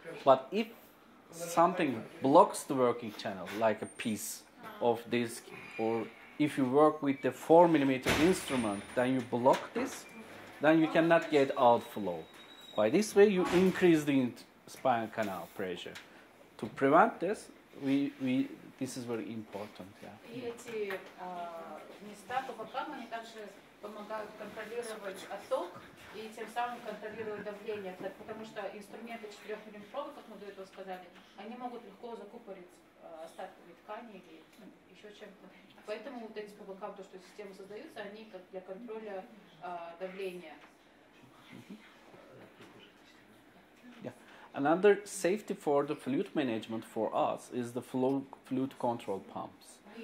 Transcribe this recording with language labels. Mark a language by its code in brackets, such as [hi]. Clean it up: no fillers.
[en] But if something blocks the working channel, like a piece of disc, or if you work with the 4 millimeter instrument, then you block this, then you cannot get outflow. By this way, you increase the spinal canal pressure. To prevent this, this is very important. Yeah. [ru] И эти места по бокам они также помогают контролировать отток и тем самым контролировать давление, потому что инструменты 4-миллиметровые, как мы до этого сказали, они могут легко закупорить остатками ткани или еще чем-то. Поэтому вот эти по бокам, то что системы создаются, они как для контроля давления. [en] Another safety for the fluid management for us is the fluid control pumps.